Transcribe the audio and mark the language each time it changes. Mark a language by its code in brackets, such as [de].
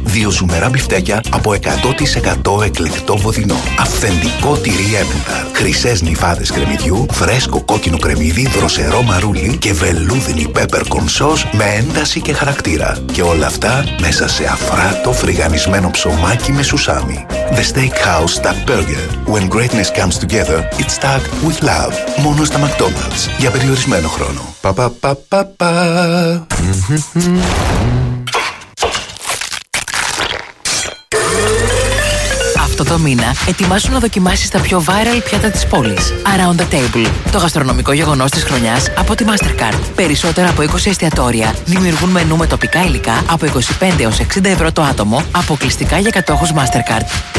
[el] Δύο ζουμερά μπιφτέκια από 100% εκλεκτό βοδινό. Αυθεντικό τυρί Έμενταλ. Χρυσές νυφάδες κρεμμυδιού, φρέσκο κόκκινο κρεμμύδι, δροσερό μαρούλι και βελούδινη peppercorn sauce με ένταση και χαρακτήρα. Και όλα αυτά μέσα σε αφράτο φρυγανισμένο ψωμάκι με σουσάμι. [en] The Steakhouse Stack Burger. When greatness comes together, it's stacked with love. [el] Μόνο στα McDonald's. Για περιορισμένο χρόνο. Πα-πα-πα-πα-πα. Αυτό το μήνα ετοιμάσου να δοκιμάσεις τα πιο viral πιάτα της πόλης. Around the Table. Το γαστρονομικό γεγονός της χρονιάς από τη Mastercard. Περισσότερα από 20 εστιατόρια δημιουργούν μενού με τοπικά υλικά από 25 έως 60 ευρώ το άτομο, αποκλειστικά για κατόχους Mastercard.